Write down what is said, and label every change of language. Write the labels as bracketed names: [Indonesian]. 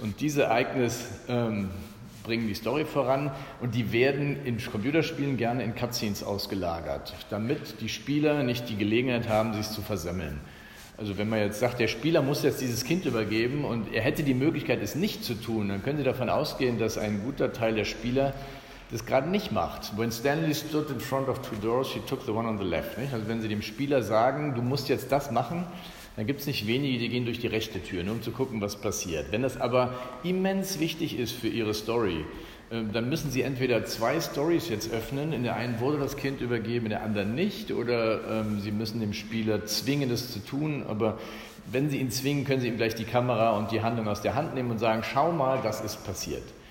[German] Und diese Ereignis bringen die Story voran und die werden in Computerspielen gerne in Cutscenes ausgelagert, damit die Spieler nicht die Gelegenheit haben, sich zu versemmeln. Also wenn man jetzt sagt, der Spieler muss jetzt dieses Kind übergeben und er hätte die Möglichkeit, es nicht zu tun, dann können Sie davon ausgehen, dass ein guter Teil der Spieler das gerade nicht macht. [English] When Stanley stood in front of two doors, she took the one on the left. [German] Nicht? Also wenn Sie dem Spieler sagen, du musst jetzt das machen, dann gibt es nicht wenige, die gehen durch die rechte Tür, nur um zu gucken, was passiert. Wenn das aber immens wichtig ist für Ihre Story, dann müssen Sie entweder zwei Stories jetzt öffnen, in der einen wurde das Kind übergeben, in der anderen nicht, oder Sie müssen dem Spieler zwingen, das zu tun, aber wenn Sie ihn zwingen, können Sie ihm gleich die Kamera und die Handlung aus der Hand nehmen und sagen, schau mal, das ist passiert.